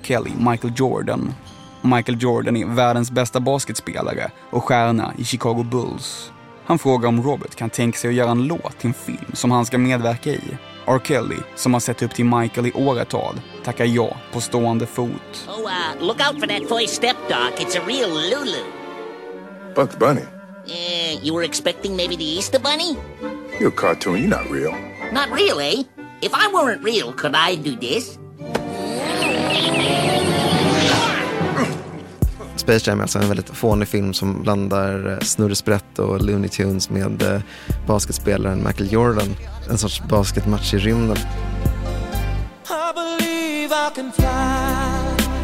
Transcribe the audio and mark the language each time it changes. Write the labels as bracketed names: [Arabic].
[Swedish] Kelly Michael Jordan. Michael Jordan är världens bästa basketspelare och stjärna i Chicago Bulls. Han frågar om Robert kan tänka sig att göra en låt till en film som han ska medverka i. R. Kelly, som har sett upp till Michael i åratal, tackar ja på stående fot. [English] Oh, look out for that first step, Doc. It's a real Lulu. Bugs Bunny? You were expecting maybe the Easter Bunny? You're a cartoon, you're not real. Not real, eh? If I weren't real, could I do this? [Swedish] Space Jam är alltså en väldigt fånig film som blandar snurresprätt och Looney Tunes med basketspelaren Michael Jordan. En sorts basketmatch i rymden. [English] I believe I can fly.